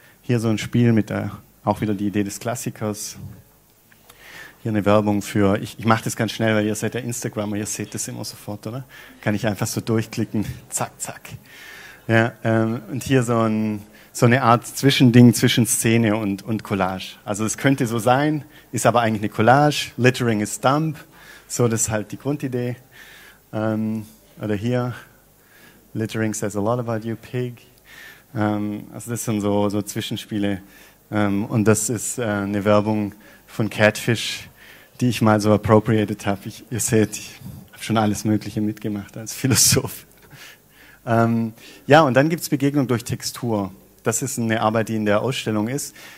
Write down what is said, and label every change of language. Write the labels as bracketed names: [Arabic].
[German] Hier so ein Spiel mit der, auch wieder die Idee des Klassikers. Hier eine Werbung für, ich mache das ganz schnell, weil ihr seid ja Instagramer, ihr seht das immer sofort, oder? Kann ich einfach so durchklicken, zack, zack. Ja, und hier so eine Art Zwischending zwischen Szene und Collage. Also es könnte so sein, ist aber eigentlich eine Collage, Littering ist Dump, so das ist halt die Grundidee. [English] Oder hier, Littering says a lot about you, pig. [German] Also das sind so Zwischenspiele. Und das ist eine Werbung von Catfish, die ich mal so appropriated habe. Ihr seht, ich habe schon alles Mögliche mitgemacht als Philosoph. Ja, und dann gibt es Begegnung durch Textur. Das ist eine Arbeit, die in der Ausstellung ist.